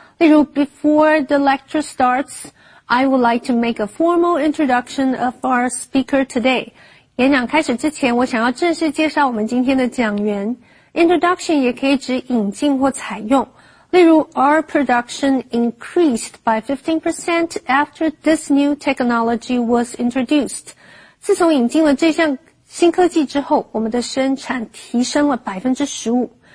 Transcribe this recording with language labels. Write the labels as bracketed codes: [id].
[zh] 例如 [en] ,before the lecture starts, I would like to make a formal introduction of our speaker today. [zh] 演讲开始之前我想要正式介绍我们今天的讲员。 Introduction 也可以指引进或采用。例如 [en] ,our production increased by 15% after this new technology was introduced. [zh] 自从引进了这项新科技之后我们的生产提升了 15%。